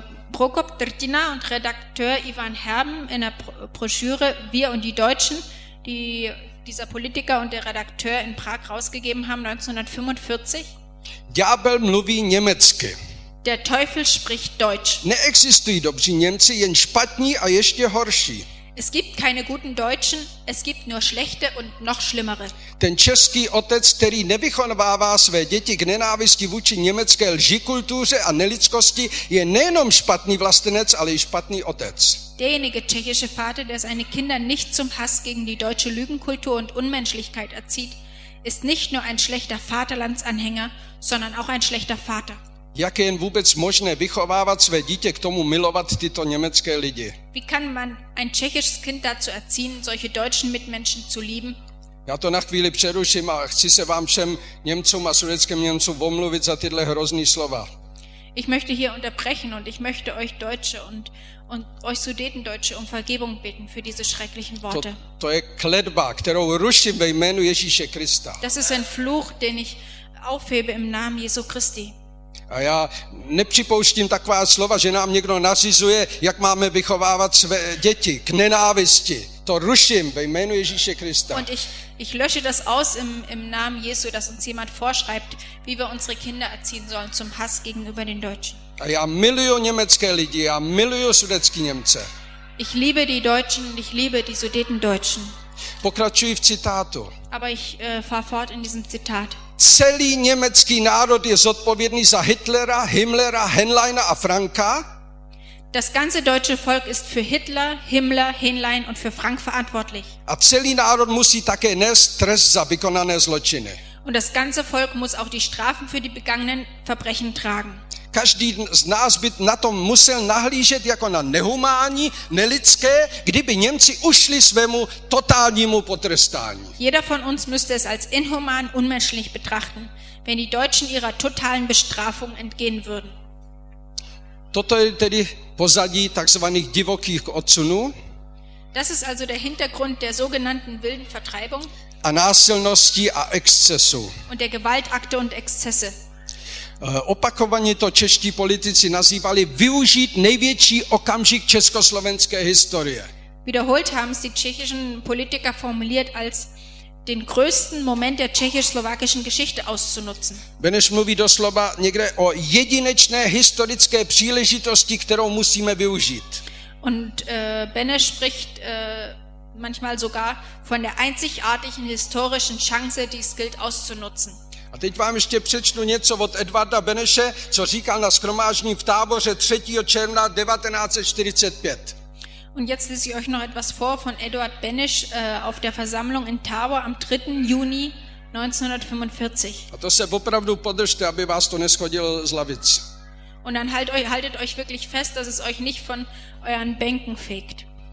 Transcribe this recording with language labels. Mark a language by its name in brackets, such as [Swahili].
[German] Prokop Drtina und Redakteur Ivan Herben in der Broschüre Wir und die Deutschen, die dieser Politiker und der Redakteur in Prag rausgegeben haben 1945. [Czech] Ďábel mluví německy. [German] Der Teufel spricht Deutsch. [Czech] Neexistují dobří Němci, jen špatní a ještě horší. [German] Es gibt keine guten Deutschen, es gibt nur schlechte und noch schlimmere. [Czech] Ten český otec, který nevychovává své děti k nenávisti vůči německé lži, kultuře a nelidskosti, je nejenom špatný vlastenec, ale i špatný otec. [German] Derjenige tschechische Vater, der seine Kinder nicht zum Hass gegen die deutsche Lügenkultur und Unmenschlichkeit erzieht, ist nicht nur ein schlechter Vaterlandsanhänger, sondern auch ein schlechter Vater. [Czech] Jak je jen vůbec možné vychovávat své dítě k tomu milovat tyto německé lidi? [German] Wie kann man ein tschechisches Kind dazu erziehen, solche deutschen Mitmenschen zu lieben? [Czech] Já to na chvíli přeruším a chci se vám všem Němcům a sudetským Němcům omluvit za tyhle hrozný slova. [German] Ich möchte hier unterbrechen und ich möchte euch Deutsche und euch Sudetendeutsche um Vergebung bitten für diese schrecklichen Worte. [Czech] To je kletba, kterou ruším ve jménu Ježíše Krista. [German] Das ist ein Fluch, den ich aufhebe im Namen Jesu Christi. [Czech] A já nepřipouštím taková slova, že nám někdo nařizuje, jak máme vychovávat své děti k nenávisti. To ruším ve jménu Ježíše Krista. [German] Und ich lösche das aus im Namen Jesu, dass uns jemand vorschreibt, wie wir unsere Kinder erziehen sollen zum Hass gegenüber den Deutschen. [Czech] A já miluju německé lidi, já miluju sudetský Němce. [German] Ich liebe die Deutschen und ich liebe die Sudetendeutschen. [Czech] Pokračuji v citátu. [German] Aber ich fahr fort in diesem Zitat. [Czech] Celý německý národ je zodpovědný za Hitlera, Himmlera, Henleina a Franka. [German] Das ganze deutsche Volk ist für Hitler, Himmler, Henlein und für Frank verantwortlich. [Czech] A celý národ musí také nést trest za vykonané zločiny. [German] Und das ganze Volk muss auch die Strafen für die begangenen Verbrechen tragen. [Czech] Každý z nás by na tom musel nahlížet jako na nehumánní, nelidské, kdyby Němci ušli svému totálnímu potrestání. [German] Jeder von uns müsste es als inhuman, unmenschlich betrachten, wenn die Deutschen ihrer totalen Bestrafung entgehen würden. [Czech] Toto je tedy pozadí takzvaných divokých odsunů. [German] Das ist also der Hintergrund der sogenannten wilden Vertreibung. [Czech] A násilnosti a excesu. [German] Und der Gewaltakte und Exzesse. [Czech] Opakovaně to čeští politici nazývali využít největší okamžik československé historie. [German] Wiederholt haben es die tschechischen Politiker formuliert als den größten Moment der tschechisch-slowakischen Geschichte auszunutzen. [Czech] Beneš mluví doslova někde o jedinečné historické příležitosti, kterou musíme využít. [German] Und Beneš spricht manchmal sogar von der einzigartigen historischen Chance, die es gilt auszunutzen. [Czech] A teď vám ještě přečtu něco od Edvarda Beneše, co říkal na shromáždění v Táboře 3. června 1945. [German] Und jetzt lese ich euch noch etwas vor von Eduard Beneš auf der Versammlung in Tábor am 3. juni 1945. [Czech] A to se opravdu podržte, aby vás to neschodilo z lavic. [German] Und dann haltet euch wirklich fest, dass es euch nicht von euren Bänken fegt.